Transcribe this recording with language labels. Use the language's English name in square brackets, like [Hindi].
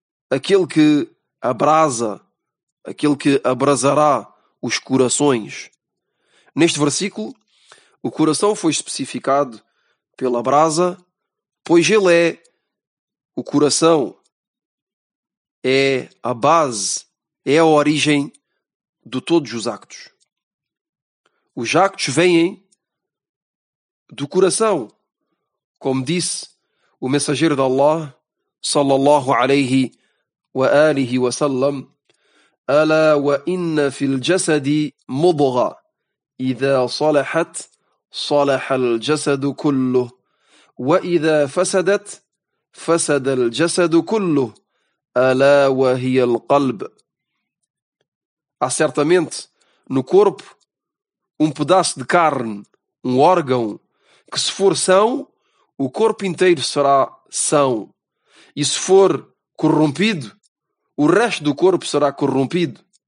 [Portuguese] Aquele que abrasa, aquele que abrasará os corações. Neste versículo, o coração foi especificado pela brasa, pois ele é o coração, é a base, é a origem de todos os actos. Os actos vêm do coração, como disse o mensageiro de Allah, sallallahu alaihi [Arabic] وآله وسلم ألا وإن في الجسد مضغة إذا صلحت صلح الجسد كله وإذا فسدت فسد الجسد كله ألا وهي القلب. [Portuguese] Há certamente no corpo um pedaço de carne, um órgão, que se for são, o corpo inteiro será são. e se for corrompido, o resto do corpo será corrompido.